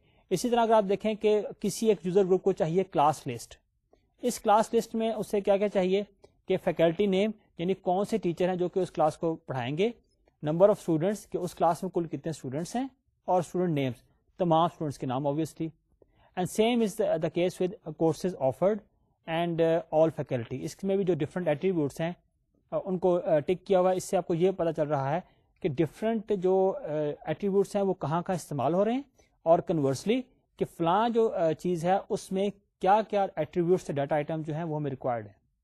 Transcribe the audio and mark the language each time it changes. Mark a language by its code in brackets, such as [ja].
[ur] اسی طرح اگر آپ دیکھیں کہ کسی ایک یوزر گروپ کو چاہیے کلاس لسٹ, اس کلاس لسٹ میں اسے کیا کیا چاہیے کہ فیکلٹی نیم, یعنی کون سے ٹیچر ہیں جو کہ اس کلاس کو پڑھائیں گے, نمبر آف اسٹوڈنٹس کہ اس کلاس میں کل کتنے اسٹوڈنٹس ہیں, اور اسٹوڈنٹ نیمس تمام اسٹوڈنٹس کے نام obviously. [en] And same is the case with courses offered and all faculty. [ur] اس میں بھی جو ڈفرنٹ ایٹریبیوٹس ہیں ان کو ٹک کیا ہوا ہے. اس سے آپ کو یہ پتہ چل رہا ہے کہ ڈفرنٹ جو ایٹریبیوٹس ہیں وہ کہاں کہاں استعمال ہو رہے ہیں, اور کنورسلی کہ فلاں جو چیز ہے اس میں کیا کیا ایٹریبیوٹس ڈیٹا آئٹم جو ہیں وہ ہمیں ریکوائرڈ ہیں.